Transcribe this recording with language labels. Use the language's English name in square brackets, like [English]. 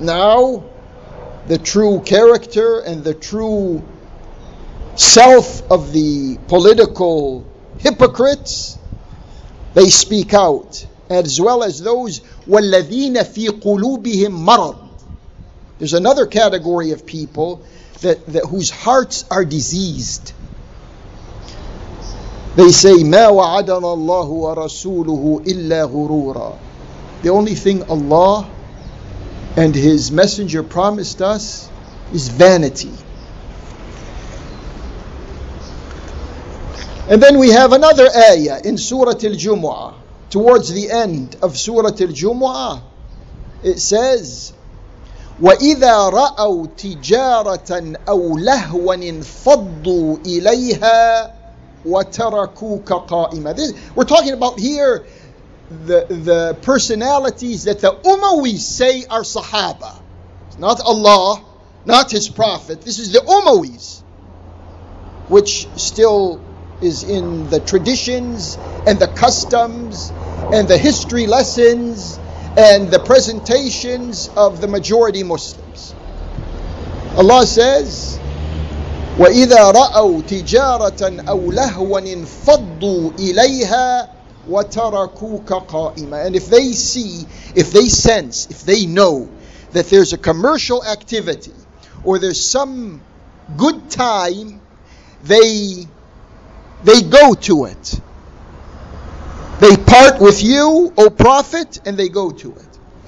[English] Now, the true character and the true self of the political hypocrites, they speak out, as well as those [Arabic] وَالَّذِينَ فِي قُلُوبِهِمْ مَرَضٌ. [English] There's another category of people that whose hearts are diseased. They say, [Arabic] مَا وَعَدَنَا اللَّهُ وَرَسُولُهُ إِلَّا غُرُورًا. [English] The only thing Allah and His Messenger promised us is vanity. And then we have another ayah in Surah Al-Jumu'ah. Towards the end of Surah Al-Jumu'ah, it says, [Arabic] وَإِذَا رَأَوْا تِجَارَةً أَوْ لَهْوًا انْفَضُّوا إِلَيْهَا وَتَرَكُوكَ قَائِمًا. [English] This, we're talking about here, the personalities that the Umayyads say are Sahaba. It's not Allah, not His Prophet. This is the Umayyads, which still is in the traditions and the customs and the history lessons and the presentations of the majority Muslims. Allah says, [Arabic] وَإِذَا رَأَوْا تِجَارَةً أَوْ لَهْوًا انْفَضُّوا إِلَيْهَا وَتَرَكُوكَ قَائِمًا. [English] And if they see, if they sense, if they know that there's a commercial activity or there's some good time, they go to it. They part with you, O Prophet, and they go to it.